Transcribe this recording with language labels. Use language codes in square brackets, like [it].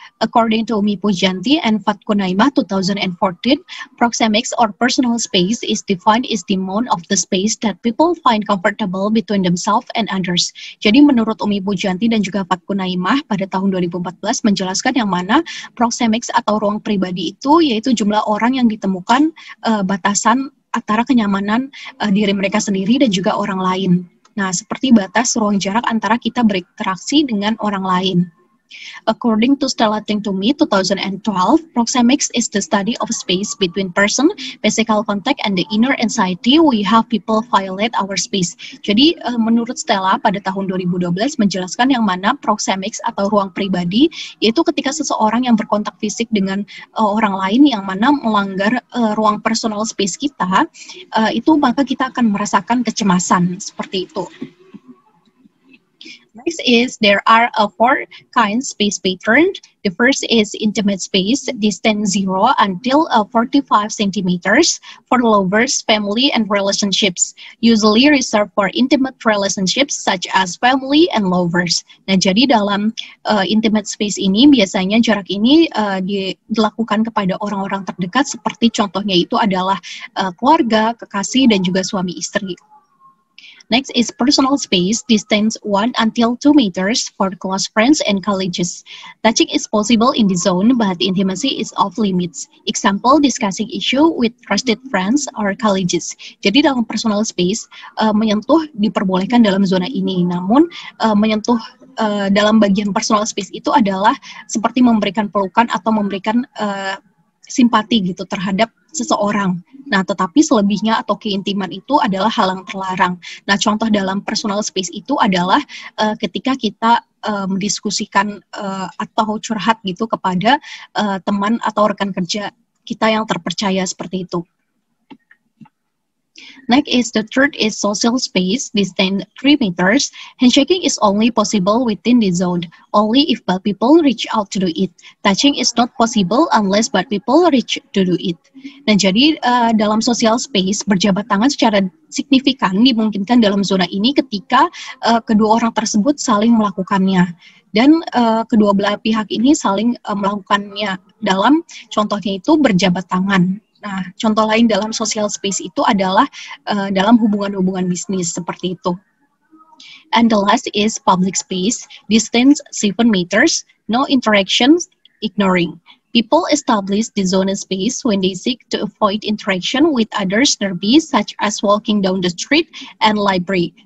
[en] According to Umi Pujanti and Fatku Naimah 2014, proxemics or personal space is defined as the amount of the space that people find comfortable between themselves and others. [id] Jadi menurut Umi Pujanti dan juga Fatku Naimah pada tahun 2014 menjelaskan yang mana proxemics atau ruang pribadi itu yaitu jumlah orang yang ditemukan batasan antara kenyamanan diri mereka sendiri dan juga orang lain. Nah, seperti batas ruang jarak antara kita berinteraksi dengan orang lain. [en] According to Stella Ting Tumi 2012, proxemics is the study of space between person, physical contact, and the inner anxiety we have people violate our space. [id] Jadi, menurut Stella pada tahun 2012 menjelaskan yang mana proxemics atau ruang pribadi yaitu ketika seseorang yang berkontak fisik dengan orang lain yang mana melanggar ruang personal space kita, itu maka kita akan merasakan kecemasan seperti itu. [en] Next is there are four kinds space pattern. The first is intimate space, distance 0 until 45 centimeters for lovers, family, and relationships. Usually reserved for intimate relationships such as family and lovers. [id] Nah, jadi dalam intimate space ini, biasanya jarak ini dilakukan kepada orang-orang terdekat seperti contohnya itu adalah keluarga, kekasih, dan juga suami istri. [en] Next is personal space, distance 1 until 2 meters for close friends and colleagues. Touching is possible in the zone, but intimacy is off limits. Example, discussing issue with trusted friends or colleagues. [id] Jadi dalam personal space, menyentuh diperbolehkan dalam zona ini, namun menyentuh dalam bagian personal space itu adalah seperti memberikan pelukan atau memberikan simpati gitu terhadap seseorang. Nah, tetapi selebihnya atau keintiman itu adalah hal yang terlarang. Nah, contoh dalam personal space itu adalah ketika kita mendiskusikan atau curhat gitu kepada teman atau rekan kerja kita yang terpercaya seperti itu. [en] Next is the third is social space, distance 3 meters. Handshaking is only possible within the zone, only if bad people reach out to do it. Touching is not possible unless bad people reach to do it. [id] Nah, jadi dalam social space, berjabat tangan secara signifikan dimungkinkan dalam zona ini ketika kedua orang tersebut saling melakukannya. Dan kedua belah pihak ini saling melakukannya dalam contohnya itu berjabat tangan. Nah, contoh lain dalam social space itu adalah dalam hubungan-hubungan bisnis seperti itu. [en] And the last is public space, distance 7 meters, no interactions, ignoring. People establish the zone and space when they seek to avoid interaction with others nearby, such as walking down the street and library.